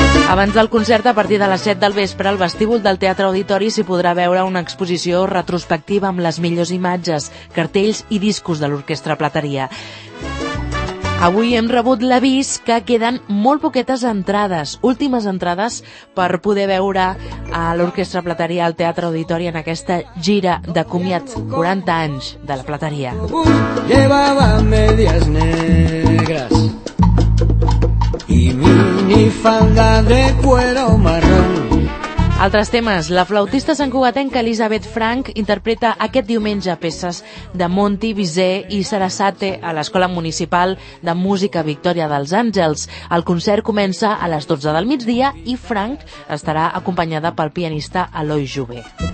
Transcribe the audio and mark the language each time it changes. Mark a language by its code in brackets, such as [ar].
[ca] Abans del concert, a partir de les 7 del vespre, al vestíbul del Teatre Auditori s'hi podrà veure una exposició retrospectiva amb les millors imatges, cartells i discos de l'Orquestra Plateria. Avui hem rebut l'avís que queden molt poquetes entrades, últimes entrades, per poder veure a l'Orquestra Plateria al Teatre Auditori en aquesta gira de comiat, 40 anys de la Plateria. [es] Llevaba medias negras y minifalda de cuero marrón. [ca] Altres temes. La flautista santcugatenca Elisabet Frank interpreta aquest diumenge peces de Monti, Bizet i Sarasate a l'Escola Municipal de Música Victòria dels Àngels. El concert comença a les 12 del migdia i Frank estarà acompanyada pel pianista Eloi Jové.